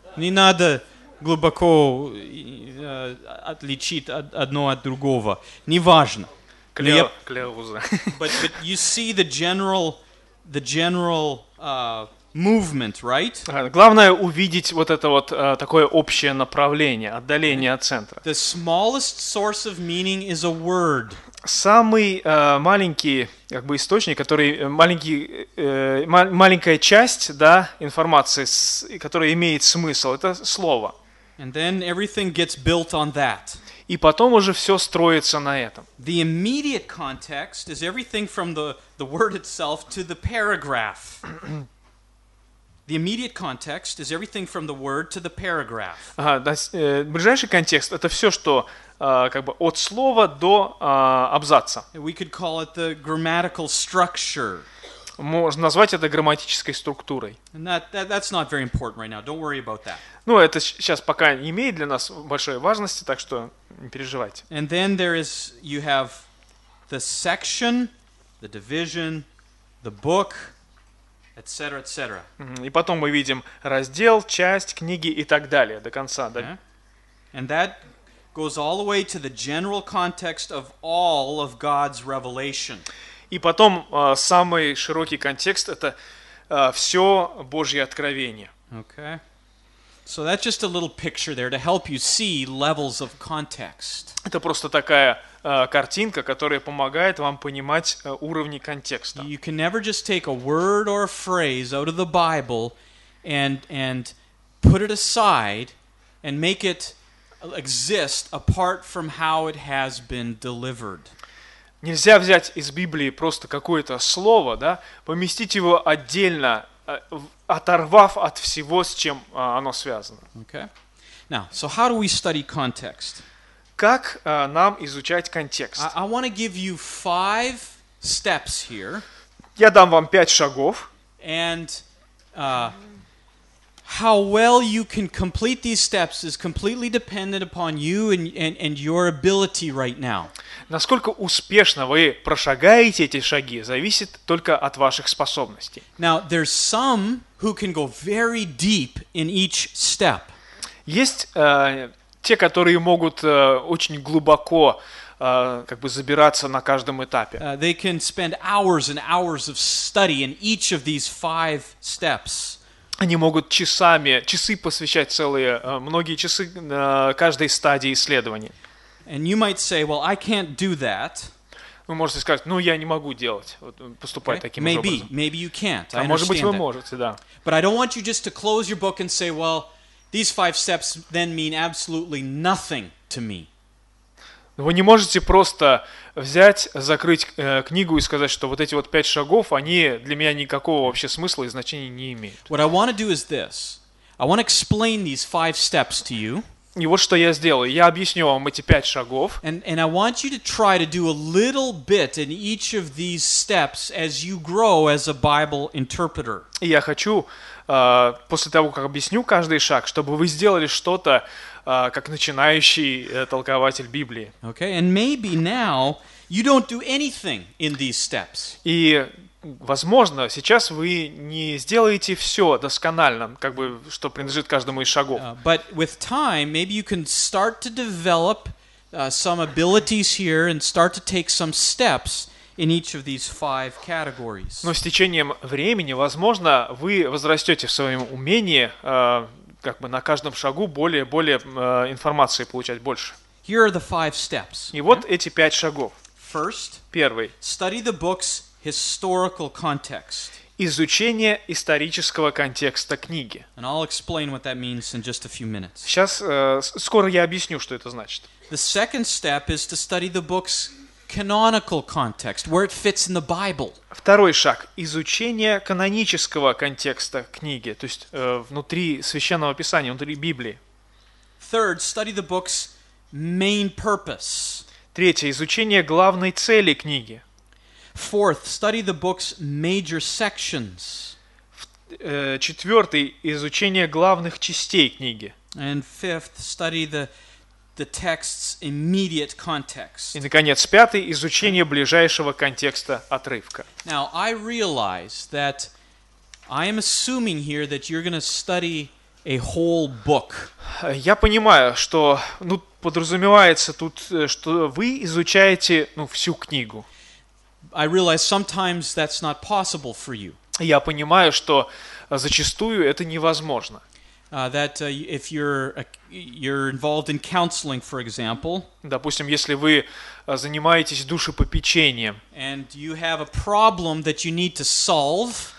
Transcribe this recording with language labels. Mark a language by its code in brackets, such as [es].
[ru] Не надо глубоко отличить одно от другого. Неважно. Клауза. [en] But you see the general movement, right? [ru] Главное увидеть вот это вот такое общее направление, отдаление от центра. [en] The smallest source of meaning is a word. [ru] Самый маленький источник, который маленькая часть, да, информации, которая имеет смысл, это слово. [en] And then everything gets built on that. [ru] И потом уже все строится на этом. [en] The immediate context is everything from the word itself to the paragraph. The immediate context is everything from the word to the paragraph. [ru] Ближайший контекст — это все, что как бы от слова до абзаца. [en] We could call it the grammatical structure. [ru] Можно назвать это грамматической структурой. [en] And that's not very important right now. Don't worry about that. [ru] Ну, это сейчас пока не имеет для нас большой важности, так что не переживайте. [en] And then you have the section, the division, the book, etc., etc. [ru] И потом мы видим раздел, часть, книги и так далее до конца, да? [en] And that goes all the way to the general context of all of God's revelation. [ru] И потом самый широкий контекст — это все Божье откровение. [en] Okay. So that's just a little picture there to help you see levels of context. [ru] Это просто такая картинка, которая помогает вам понимать уровни контекста. [en] You can never just take a word or a phrase out of the Bible and put it aside and make it exist apart from how it has been delivered. [ru] Нельзя взять из Библии просто какое-то слово, да, поместить его отдельно, оторвав от всего, с чем оно связано. [en] Okay. Now, so how do we study context? [ru] Как нам изучать контекст? [en] I want to give you five steps here. [ru] Я дам вам 5 шагов. [en] And how well you can complete these steps is completely dependent upon you and your ability right now. [ru] Насколько успешно вы прошагаете эти шаги, зависит только от ваших способностей. [en] Now, there's some who can go very deep in each step. [ru] Есть те, которые могут очень глубоко как бы забираться на каждом этапе. [en] They can spend hours and hours of study in each of these five steps. [ru] Они могут часы посвящать целые, многие часы каждой стадии исследования. [en] And you might say, well, I can't do that. [ru] Вы можете сказать, ну, я не могу делать, вот, поступать [en] okay. [ru] таким [en] maybe, [ru] образом. [en] Maybe you can't. [ru] А может быть, вы можете, да. [en] But I don't want you just to close your book and say, well, these five steps then mean absolutely nothing to me. [ru] Вы не можете просто взять, закрыть книгу и сказать, что вот эти вот 5 шагов, они для меня никакого вообще смысла и значения не имеют. [en] What I want to do is this. I want to explain these five steps to you. [ru] И вот что я сделаю. Я объясню вам эти 5 шагов. [en] And I want you to try to do a little bit in each of these steps as you grow as a Bible interpreter. [ru] И я хочу, после того, как объясню каждый шаг, чтобы вы сделали что-то, как начинающий толкователь Библии. [en] Okay, and maybe now you don't do anything in these steps. [ru] И, возможно, сейчас вы не сделаете все досконально, как бы, что принадлежит каждому из шагов. [en] But with time, maybe you can start to develop some abilities here and start to take some steps in each of these five categories. [ru] Но с течением времени, возможно, вы возрастете в своем умении как бы на каждом шагу более информации получать больше. [en] Here are the five steps. [ru] И вот эти 5 шагов. [en] First, [ru] первый. [en] Study the book's historical context. [ru] Изучение исторического контекста книги. [en] And I'll explain what that means in just a few minutes. [ru] Сейчас, скоро я объясню, что это значит. [en] The second step is to study the book's canonical context, where it fits in the Bible. [ru] Второй шаг – изучение канонического контекста книги, то есть внутри Священного Писания, внутри Библии. [en] Third, study the book's main purpose. [ru] Третье – изучение главной цели книги. [en] Fourth, study the book's major sections. [ru] Четвертый – изучение главных частей книги. [en] And fifth, study the text's immediate context. [ru] И, наконец, пятый – изучение ближайшего контекста отрывка. [en] Now, I realize that I am assuming here that you're going to study a whole book. [ru] Я понимаю, что, ну, подразумевается тут, что вы изучаете, ну, всю книгу. [en] I realize sometimes that's not possible for you. [ru] Я понимаю, что зачастую это невозможно. [en] That if you're involved in counseling, for example. [ru] Допустим, если вы занимаетесь душепопечением. [en] And you have a problem that you need to solve.